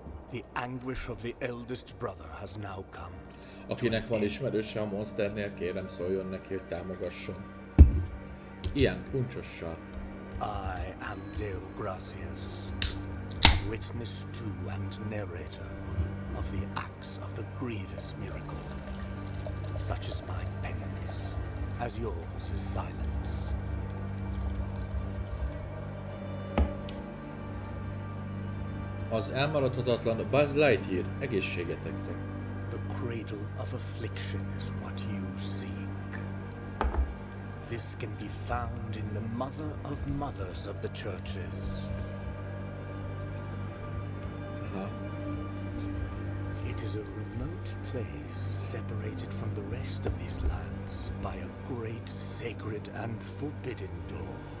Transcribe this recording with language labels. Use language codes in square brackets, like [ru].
[en] The anguish of the eldest brother has now come. [hu] Akinek van ismerőse a monsternél, kérem szóljon neki, hogy támogasson. Ilyen puncsossal. [en] I am Dale Gracias, witness to and narrator of the acts of the grievous miracle. Such as my penance, as yours is silence. [hu] Az elmaradhatatlan Buzz Lightyear egészségetekre. [en] The cradle of affliction is what you seek. This can be found in the mother of mothers of the churches. Aha. It is a remote place separated from the rest of these lands by a great sacred and forbidden door.